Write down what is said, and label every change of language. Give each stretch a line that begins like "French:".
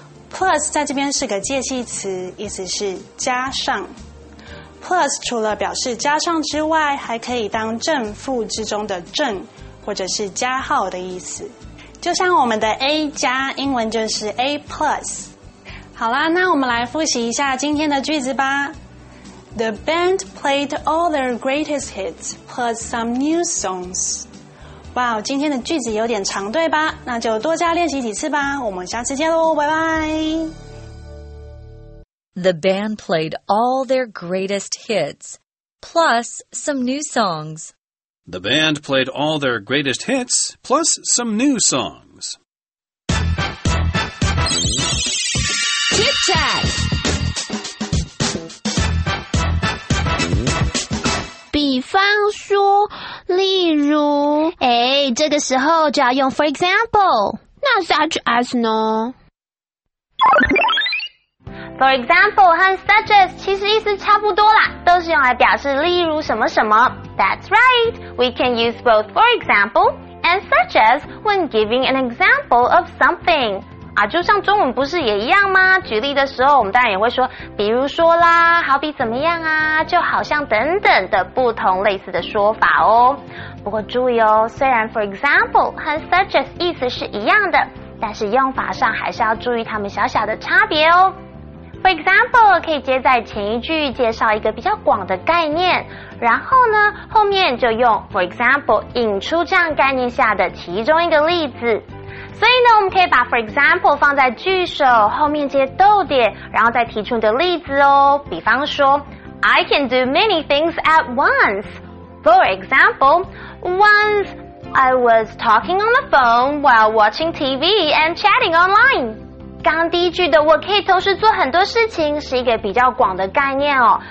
Chinese: plus 在这边是个介系词，意思是加上。 plus 除了表示加上之外，还可以当正负之中的正，或者是加号的意思。就像我们的 A 加，英文就是 A plus。好啦，那我们来复习一下今天的句子吧。
English: The band played all their greatest hits plus some new songs.
Chinese: 哇，今天的句子有点长，对吧？那就多加练习几次吧。我们下次见咯，拜拜。
English: The band played all their greatest hits plus some new songs. The band played all their greatest hits plus some new songs.
Chinese: 比方说，例如，这个时候就要用 for example。那 such as 呢？ For example 和 such as 其实意思差不多啦，都是用来表示例如什么什么。
English: That's right. We can use both for example and such as when giving an example of something.
Chinese: 啊，就像中文不是也一样吗？举例的时候，我们当然也会说，比如说啦，好比怎么样啊，就好像等等的不同类似的说法哦。不过注意哦，虽然 for example 和 such as 意思是一样的，但是用法上还是要注意它们小小的差别哦。 For example 可以接在前一句介绍一个比较广的概念，然后呢，后面就用 for example 引出这样概念下的其中一个例子。所以呢，我们可以把 for example 放在句首后面接逗点，然后再提出你的例子哦。比方说
English: ，I can do many things at once. For example, once I was talking on the phone while watching TV and chatting online.
Chinese: 刚刚第一句的我可以同时做很多事情是一个比较广的概念哦。